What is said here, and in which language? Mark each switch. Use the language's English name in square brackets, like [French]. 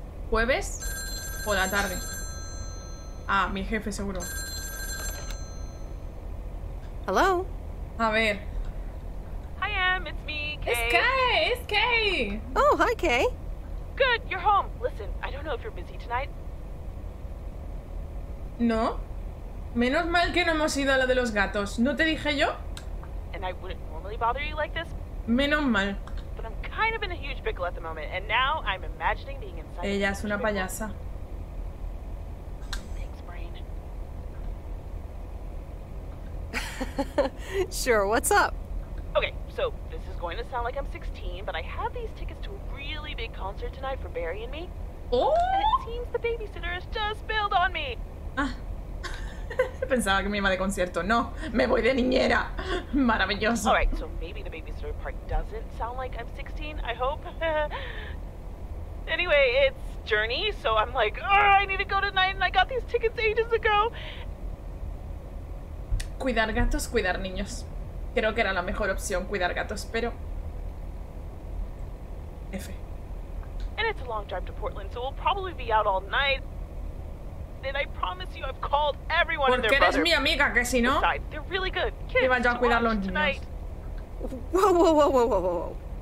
[Spanish] ¿Jueves? ¿O la tarde? Ah, mi jefe seguro. [English] Hello. [Spanish] A ver. [English] Hi, Em, it's me, Kay. It's Kay, it's Kay. Oh, hi, Kay. Good, you're home. Listen, I don't know if you're busy tonight. No. [Spanish] Menos mal que no hemos ido a lo de los gatos. ¿No te dije yo? [English] And I wouldn't normally bother you like this. [Spanish] Menos mal. [English] But I'm kind of in a huge pickle at the moment, and now I'm imagining being inside. [Spanish] Ella es una payasa. [English] Sure, what's up? Okay, so this is going to sound like I'm 16, but I have these tickets to a really big concert tonight for Barry and me. Oh! And it seems the babysitter has just bailed on me. [Spanish] Ah. Pensaba que me iba de concierto. No, me voy de niñera. Maravilloso. [English] All right, so maybe the babysitter part doesn't sound like I'm 16, I hope. Anyway, it's Journey, so I'm like, oh, I need to go tonight, and I got these tickets ages ago. [Spanish] Cuidar gatos, cuidar niños. Creo que era la mejor opción, cuidar gatos, pero... F. [English] And it's a long drive to Portland, so we'll probably be out all night. Then I promise you I've called everyone and their [Spanish] brother. Porque eres mi amiga, que si no... [English] Besides, they're really good kids. [Spanish] Iban yo a cuidar los niños. [English] Tonight. Whoa, whoa, whoa, whoa, whoa, whoa.